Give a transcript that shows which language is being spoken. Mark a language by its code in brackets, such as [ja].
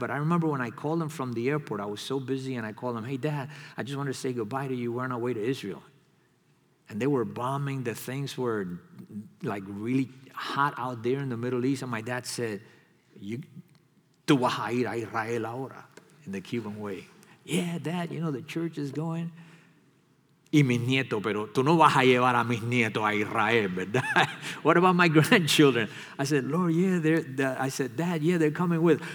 [en] But I remember when I called him from the airport, I was so busy and I called him, hey, dad, I just wanted to say goodbye to you. We're on our way to Israel. And they were bombing. The things were like really hot out there in the Middle East. And my dad said, "You [es] tu vas a ir a Israel ahora." [en] In the Cuban way. Yeah, dad, you know, the church is going. [es] Y mis nietos, pero tú no vas a llevar a mis nietos a Israel, ¿verdad? [en] What about my grandchildren? I said, Lord, yeah, dad, yeah, they're coming with.